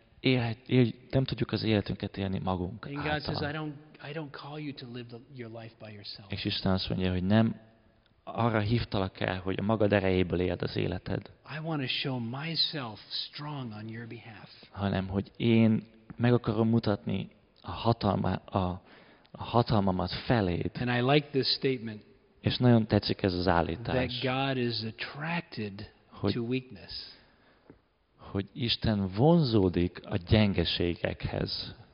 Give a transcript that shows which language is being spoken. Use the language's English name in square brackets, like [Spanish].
[Hungarian] És nem tudjuk az életünket élni magunk [English] által. And God says, I don't call you to live your life by yourself. [Hungarian] És Isten azt mondja, hogy nem arra hívtalak el, hogy a magad erejéből éld az életed. [English] I want to show myself strong on your behalf. [Hungarian] Hanem hogy én meg akarom mutatni a hatalmamat feléd. [English] And I like this statement. [Hungarian] És nagyon tetszik ez az állítás. [English] That God is attracted to weakness. [Hungarian] Hogy Isten vonzódik a gyengeségekhez.